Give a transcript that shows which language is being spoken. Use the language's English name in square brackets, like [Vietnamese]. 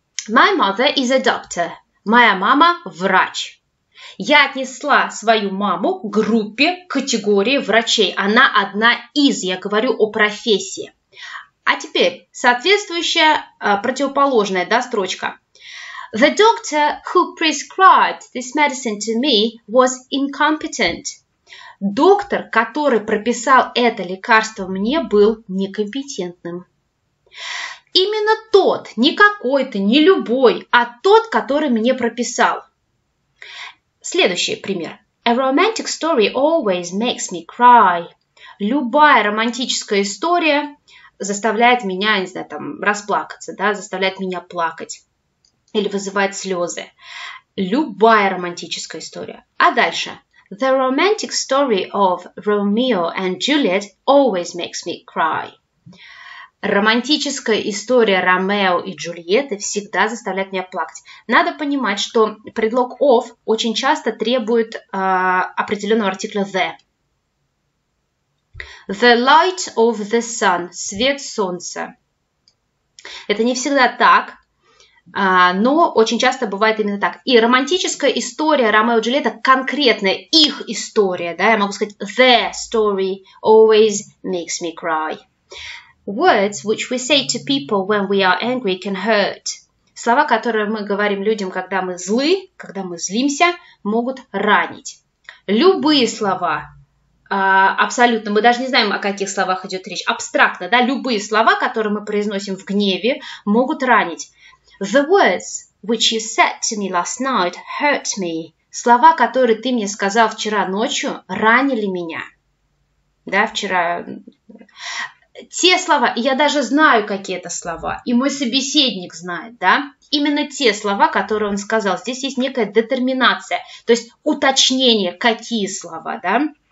[English] My mother is a doctor. [Russian] Моя мама – врач. Я отнесла свою маму к группе категории врачей. Она одна из, я говорю о профессии. А теперь соответствующая противоположная, да, строчка. [English] The doctor who prescribed this medicine to me was incompetent. [Russian] Доктор, который прописал это лекарство мне, был некомпетентным. Именно тот, не какой-то, не любой, а тот, который мне прописал. Следующий пример. [English] A romantic story always makes me cry. [Russian] Любая романтическая история заставляет меня, не знаю, там, расплакаться, да, заставляет меня плакать или вызывает слезы. Любая романтическая история. А дальше. [English] The romantic story of Romeo and Juliet always makes me cry. [Russian] Романтическая история Ромео и Джульетты всегда заставляет меня плакать. Надо понимать, что предлог of очень часто требует определенного артикля the. [English] The light of the sun – [Russian] свет солнца. Это не всегда так, но очень часто бывает именно так. И романтическая история Ромео и Джульетты – конкретная их история. Да? Я могу сказать [English] the story always makes me cry. Words, which we say to people when we are angry, can hurt. [Russian] Слова, которые мы говорим людям, когда мы злы, когда мы злимся, могут ранить. Любые слова, абсолютно, мы даже не знаем, о каких словах идет речь, абстрактно, да, любые слова, которые мы произносим в гневе, могут ранить. [English] The words, which you said to me last night, hurt me. [Russian] Слова, которые ты мне сказал вчера ночью, ранили меня. Да, вчера... Те слова, я даже знаю, какие это слова, и мой собеседник знает, да, именно те слова, которые он сказал. Здесь есть некая детерминация, то есть уточнение, какие слова, да.